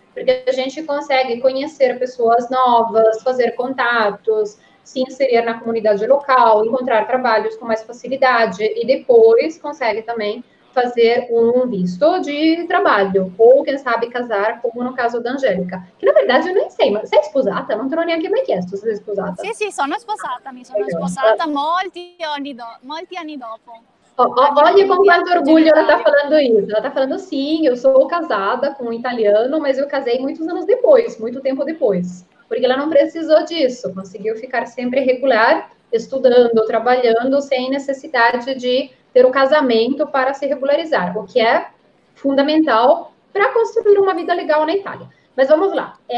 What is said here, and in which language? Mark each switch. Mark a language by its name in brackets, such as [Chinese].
[Portuguese] Porque a gente consegue conhecer pessoas novas, fazer contatos, se inserir na comunidade local, encontrar trabalhos com mais facilidade. E depois consegue também fazer um visto de trabalho, ou quem sabe casar, como no caso da Angélica, que na verdade eu nem sei, mas você é sposata? [Italian] Não te neanche mai chiesto se sei sposata. Sì, sì, sono sposata, mi sono sposata molti anni dopo. [Portuguese] Olha com quanto orgulho ela está falando isso. Ela está falando, sim, eu sou casada com um italiano, mas eu casei muitos anos depois, muito tempo depois, porque ela não precisou disso, conseguiu ficar sempre regular, estudando, trabalhando, sem necessidade de ter o casamento para se regularizar, o que é fundamental para construir uma vida legal na Itália. Mas vamos lá.